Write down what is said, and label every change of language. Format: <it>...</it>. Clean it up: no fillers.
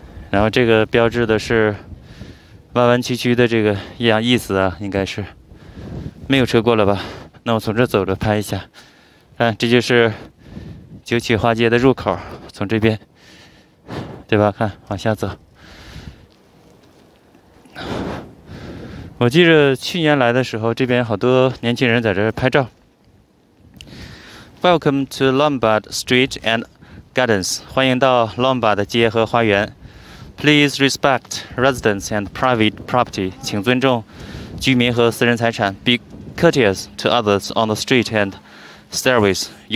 <zh>然后这个标志的是弯弯曲曲的这个意思啊，应该是没有车过了吧？那我从这走着拍一下，这就是九曲花街的入口，从这边，对吧？看，往下走。我记着去年来的时候，这边好多年轻人在这拍照。</zh> <en>Welcome to Lombard Street and Gardens.</en> <zh>欢迎到 Lombard 街和花园。</zh> <en>Please respect residents and private property.</en> <zh>请尊重居民和私人财产。</zh> <en>Be courteous to others on the street and stairways.</en>